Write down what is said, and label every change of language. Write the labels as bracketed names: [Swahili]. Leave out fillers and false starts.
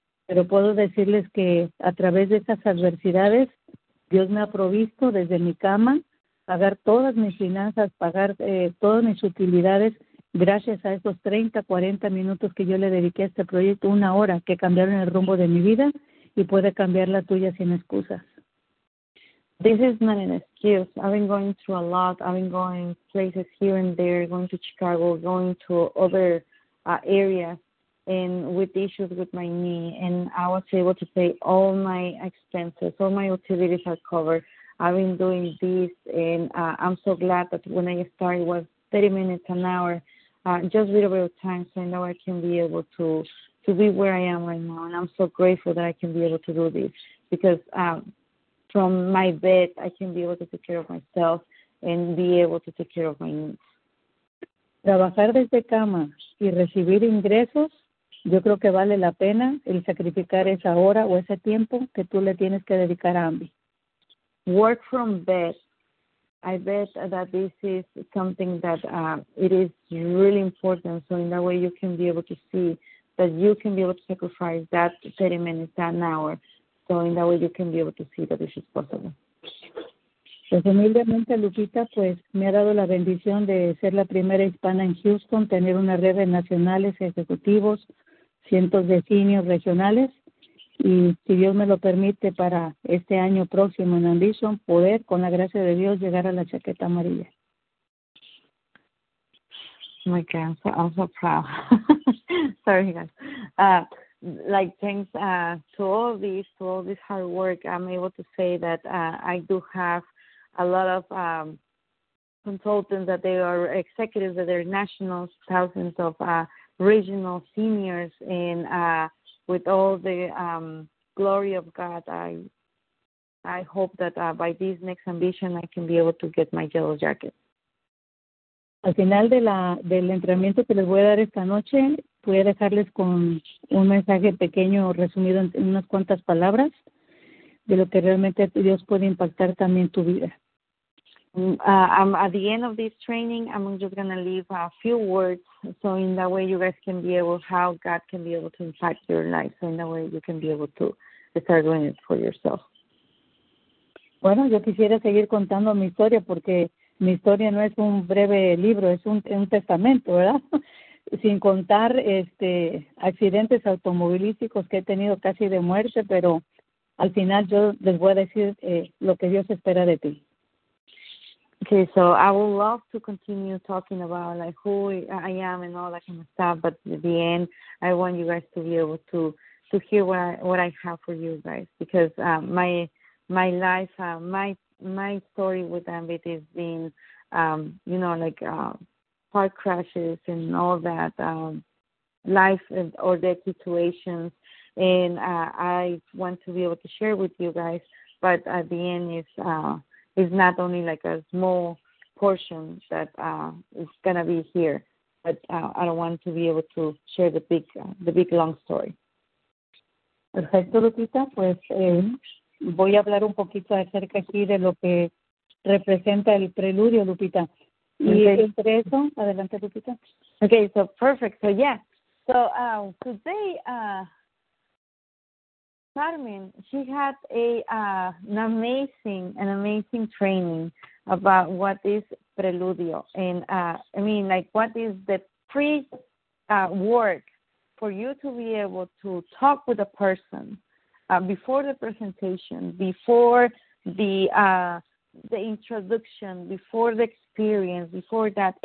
[Spanish] Pero puedo decirles que a través de estas adversidades, Dios me ha provisto desde mi cama, pagar todas mis finanzas, pagar todas mis utilidades, gracias a esos 30, 40 minutos que yo le dediqué a este proyecto, una hora que cambiaron el rumbo de mi vida y puede cambiar la tuya sin excusas. [English] This is not an excuse. I've been going through a lot. I've been going places here and there, going to Chicago, going to other areas. And with issues with my knee, and I was able to pay all my expenses, all my utilities are covered. I've been doing this, and I'm so glad that when I started, it was 30 minutes an hour, just a little bit of time, so now I can be able to be where I am right now. And I'm so grateful that I can be able to do this, because from my bed, I can be able to take care of myself and be able to take care of my needs. [Spanish] Trabajar desde cama y recibir ingresos, yo creo que vale la pena el sacrificar esa hora o ese tiempo que tú le tienes que dedicar a Ambi. [English] Work from bed. I bet that this is something that it is really important. So in that way, you can be able to see that you can be able to sacrifice that 30 minutes, that an hour. So in that way, you can be able to see that this is possible. [Spanish] Pues humildemente, Lupita, pues me ha dado la bendición de ser la primera hispana en Houston, tener una red de nacionales, ejecutivos, cientos de seniors regionales. Y si Dios me lo permite para este año próximo en Ambition, poder, con la gracia de Dios, llegar a la chaqueta amarilla. [English] Oh my God, I'm so, I'm so proud. Sorry, guys. Thanks to all this hard work, I'm able to say that I do have a lot of consultants that they are executives, that they're nationals, thousands of regional seniors, and with all the glory of God, I hope that by this next ambition, I can be able to get my yellow jacket. [Spanish] Al final de del entrenamiento que les voy a dar esta noche, voy a dejarles con un mensaje pequeño resumido en unas cuantas palabras de lo que realmente Dios puede impactar también tu vida. [English] At the end of this training, I'm just going to leave a few words so in that way you guys can be able, how God can be able to impact your life, so in that way you can be able to start doing it for yourself. [Spanish] Bueno, yo quisiera seguir contando mi historia porque mi historia no es un breve libro, es un testamento, ¿verdad? Sin contar accidentes automovilísticos que he tenido casi de muerte, pero al final yo les voy a decir lo que Dios espera de ti. [English] Okay, so I would love to continue talking about like who I am and all that kind of stuff, but at the end, I want you guys to be able to hear what I have for you guys, because my life, my story with Ambit has been, car crashes and all that, life or death situations, and I want to be able to share with you guys, but at the end, it's not only like a small portion that is going to be here, but I don't want to be able to share the big long story. [Spanish] Perfecto, Lupita. Pues voy a hablar un poquito acerca aquí de lo que representa el preludio, Lupita. Y entre eso, adelante, Lupita. [English] Okay, so perfect. So, yeah. So, today, Carmen, she had an amazing training about what is preludio. And what is the pre-work for you to be able to talk with a person before the presentation, before the introduction, before the experience, before that.